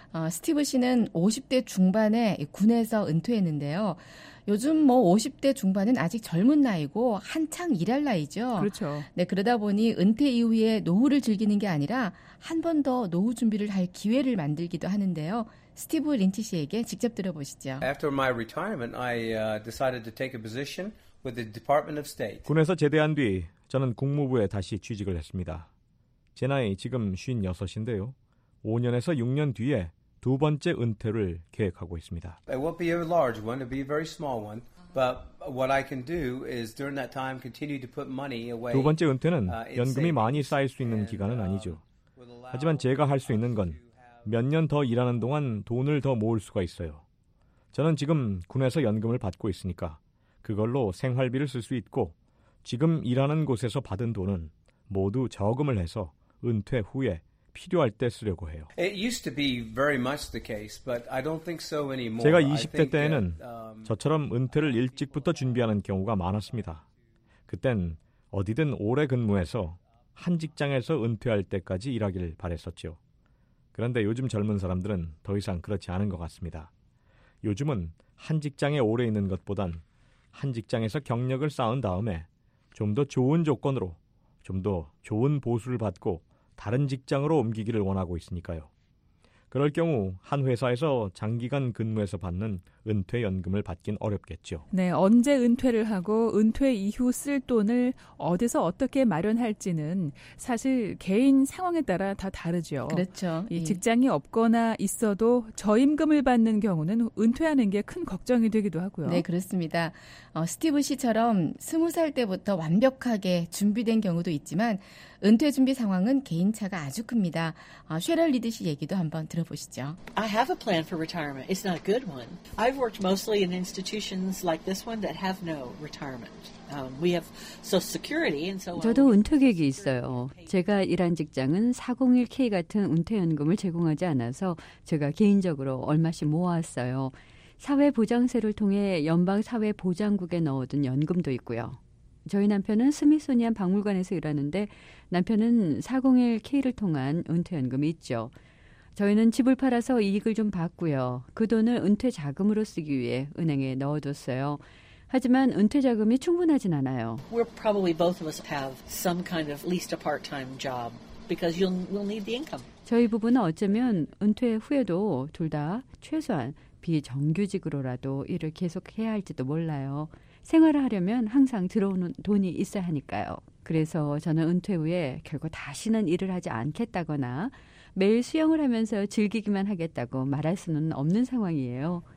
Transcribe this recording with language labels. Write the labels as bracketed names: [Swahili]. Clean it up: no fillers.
[Korean] 스티브 씨는 50대 중반에 군에서 은퇴했는데요. 요즘 뭐 50대 중반은 아직 젊은 나이고 한창 일할 나이죠. 그렇죠. 네, 그러다 보니 은퇴 이후에 노후를 즐기는 게 아니라 한 번 더 노후 준비를 할 기회를 만들기도 하는데요. 스티브 린치 씨에게 직접 들어보시죠. [English] After my retirement, I decided to take a position with the Department of State. [Korean] 군에서 제대한 뒤 저는 국무부에 다시 취직을 했습니다. 제 나이 지금 56인데요. 5년에서 6년 뒤에 두 번째 은퇴를 계획하고 있습니다. [English] It won't be a large one, it'll be a very small one. But what I can do is during that time continue to put money away. [Korean] 두 번째 은퇴는 연금이 많이 쌓일 수 있는 기간은 아니죠. 하지만 제가 할 수 있는 건 몇 년 더 일하는 동안 돈을 더 모을 수가 있어요. 저는 지금 군에서 연금을 받고 있으니까 그걸로 생활비를 쓸 수 있고 지금 일하는 곳에서 받은 돈은 모두 저금을 해서 은퇴 후에 필요할 때 쓰려고 해요. [English] It used to be very much the case, but I don't think so anymore. [Korean] 제가 20대 때에는 저처럼 은퇴를 일찍부터 준비하는 경우가 많았습니다. 그땐 어디든 오래 근무해서 한 직장에서 은퇴할 때까지 일하길 바랬었죠. 그런데 요즘 젊은 사람들은 더 이상 그렇지 않은 것 같습니다. 요즘은 한 직장에 오래 있는 것보단 한 직장에서 경력을 쌓은 다음에 좀 더 좋은 조건으로 좀 더 좋은 보수를 받고 다른 직장으로 옮기기를 원하고 있으니까요. 그럴 경우 한 회사에서 장기간 근무해서 받는 은퇴연금을 받긴 어렵겠죠. 네, 언제 은퇴를 하고 은퇴 이후 쓸 돈을 어디서 어떻게 마련할지는 사실 개인 상황에 따라 다 다르죠. 그렇죠. 이 직장이 없거나 있어도 저임금을 받는 경우는 은퇴하는 게 큰 걱정이 되기도 하고요. 네, 그렇습니다. 스티브 씨처럼 20살 때부터 완벽하게 준비된 경우도 있지만 은퇴 준비 상황은 개인차가 아주 큽니다. 쉐럴 리드 씨 얘기도 한번 들어보시죠. [English] I have a plan for retirement. It's not a good one. I've worked mostly in institutions like this one that have no retirement. We have social security and so on. [Korean] 저도 은퇴 계획이 있어요. 제가 일한 직장은 401k 같은 은퇴연금을 제공하지 않아서 제가 개인적으로 얼마씩 모았어요. 사회보장세를 통해 연방사회보장국에 넣어둔 연금도 있고요. 저희 남편은 스미소니안 박물관에서 일하는데 남편은 401k를 통한 은퇴연금이 있죠. 저희는 집을 팔아서 이익을 좀 봤고요. 그 돈을 은퇴 자금으로 쓰기 위해 은행에 넣어뒀어요. 하지만 은퇴 자금이 충분하진 않아요. [English] We're probably both of us have some kind of at least a part-time job because we'll need the income. [Korean] 저희 부부는 어쩌면 은퇴 후에도 둘 다 최소한 비정규직으로라도 일을 계속해야 할지도 몰라요. 생활을 하려면 항상 들어오는 돈이 있어야 하니까요. 그래서 저는 은퇴 후에 결코 다시는 일을 하지 않겠다거나 매일 수영을 하면서 즐기기만 하겠다고 말할 수는 없는 상황이에요.